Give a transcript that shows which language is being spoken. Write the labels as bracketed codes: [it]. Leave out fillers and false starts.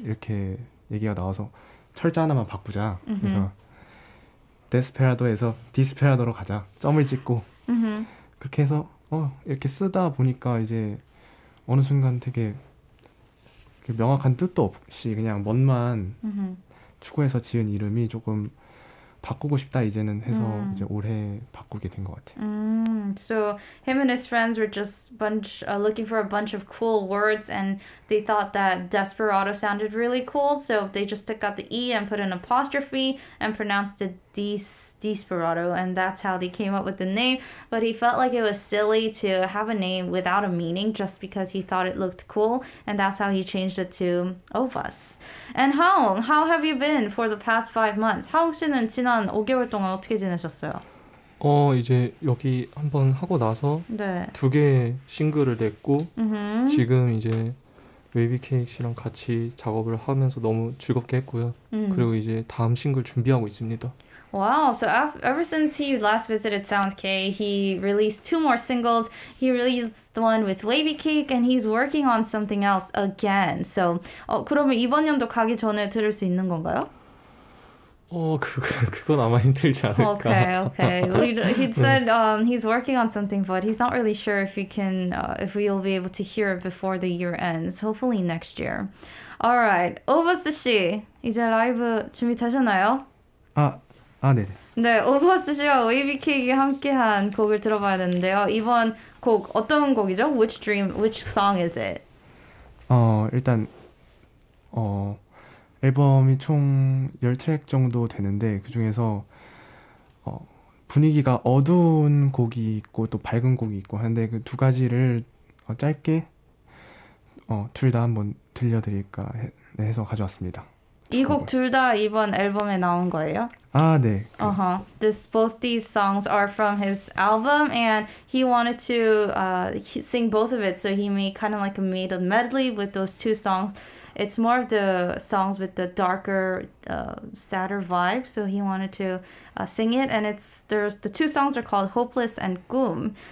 [ko] 이렇게 얘기가 나와서 철자 하나만 바꾸자 그래서 데스페라도에서 디스페라도로 가자 점을 찍고 그렇게 해서 이렇게 쓰다 보니까 이제 어느 순간 되게 명확한 뜻도 없이 그냥 멋만 추구해서 지은 이름이 조금 바꾸고 싶다 이제는 해서 이제 올해 바꾸게 된 것 같아요. [en] So him and his friends were just looking for a bunch of cool words, and they thought that desperado sounded really cool. So they just took out the e and put an apostrophe and pronounced it desperado, and that's how they came up with the name. But he felt like it was silly to have a name without a meaning just because he thought it looked cool, and that's how he changed it to Ovas. And Haeong, how have you been for the past 5 months? [ko] Haeong 씨는 지난 5개월 동안 어떻게 지내셨어요? 이제 여기 한번 하고 나서 네. 두 개의 싱글을 냈고 mm-hmm. 지금 이제 웨이비 케이크 씨랑 같이 작업을 하면서 너무 즐겁게 했고요. 그리고 이제 다음 싱글 준비하고 있습니다. [en] Wow, so ever since he last visited Sound K, he released two more singles. He released one with Wavy Cake, and he's working on something else again. [ko] So, 그러면 이번 년도 가기 전에 들을 수 있는 건가요? 그건 아마 힘들지 않을까. [en] Okay. He said he's working on something, but he's not really sure if we can, if we'll be able to hear it before the year ends. Hopefully next year. All right, Ovas 씨, [ko] 이제 라이브 준비되셨나요? 네네. 네, Ovas 씨와 Wavy Cake이 함께한 곡을 들어봐야 되는데요. 이번 곡 어떤 곡이죠? [en] Which dream, which song is it? [ko] 일단 앨범이 총 10트랙 정도 되는데 그 중에서 분위기가 어두운 곡이 있고 또 밝은 곡이 있고 하는데 그 두 가지를 짧게 둘 다 한번 들려드릴까 해서 가져왔습니다. 이 곡 둘 다 이번 앨범에 나온 거예요? 아, 네. 그. [en] Both these songs are from his album and he wanted to sing both of it, so he made kind of like a made a medley with those two songs. It's more of the songs with the darker, sadder vibe. So he wanted to sing it. And the two songs are called Hopeless and Goom.